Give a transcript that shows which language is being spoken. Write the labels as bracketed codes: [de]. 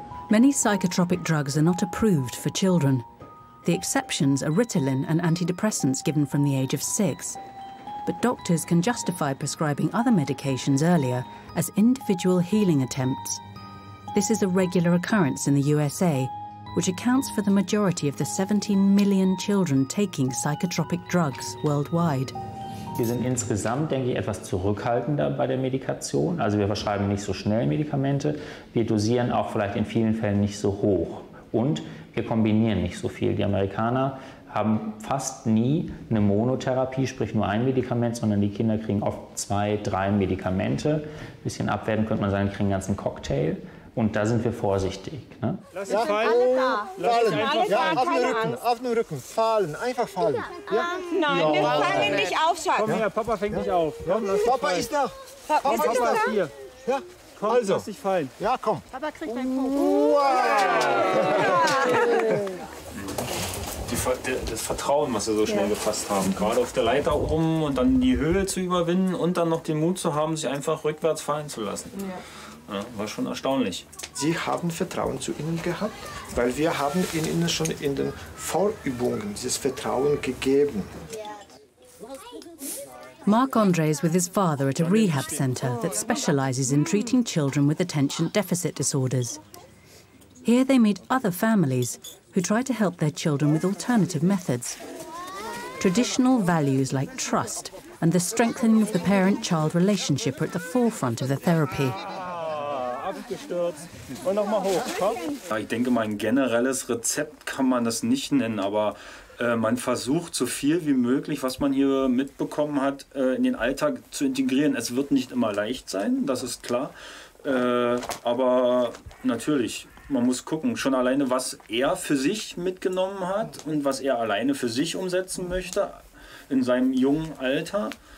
[en] Many psychotropic drugs are not approved for children. The exceptions are Ritalin and antidepressants given from the age of 6. But doctors can justify prescribing other medications earlier as individual healing attempts. This is a regular occurrence in the USA, which accounts for the majority of the 17 million children taking psychotropic drugs worldwide. [de] Wir sind insgesamt, denke ich, etwas zurückhaltender bei der Medikation. Also wir verschreiben nicht so schnell Medikamente. Wir dosieren auch vielleicht in vielen Fällen nicht so hoch. Und wir kombinieren nicht so viel. Die Amerikaner haben fast nie eine Monotherapie, sprich nur ein Medikament, sondern die Kinder kriegen oft zwei, drei Medikamente. Ein bisschen abwerten könnte man sagen, kriegen einen ganzen Cocktail. Und da sind wir vorsichtig. Ne? Lass dich fallen. Fallen. Ja, auf den Rücken. Auf den Rücken. Fallen. Einfach fallen. Ja. Nein, wir fangen nicht auf, Schatz. Komm her, Papa fängt dich auf. Komm, lass Papa ist da. Papa ist hier. Ja. Komm, also. Lass dich fallen. Ja, komm. Papa kriegt deinen Kuchen. Wow. Ja. Das Vertrauen, was wir so schnell gefasst haben, gerade auf der Leiter oben und dann die Höhe zu überwinden und dann noch den Mut zu haben, sich einfach rückwärts fallen zu lassen. Ja, war schon erstaunlich. Sie haben Vertrauen zu ihnen gehabt, weil wir haben ihnen schon in den Vorübungen dieses Vertrauen gegeben. [en] Mark Andre is with his father at a rehab center that specializes in treating children with attention deficit disorders. Here they meet other families who try to help their children with alternative methods. Traditional values like trust and the strengthening of the parent-child relationship are at the forefront of the therapy. [de] Und noch mal hoch. Ich denke, mein generelles Rezept kann man das nicht nennen, aber man versucht so viel wie möglich, was man hier mitbekommen hat, in den Alltag zu integrieren. Es wird nicht immer leicht sein, das ist klar, aber natürlich, man muss gucken, schon alleine, was er für sich mitgenommen hat und was er alleine für sich umsetzen möchte in seinem jungen Alter.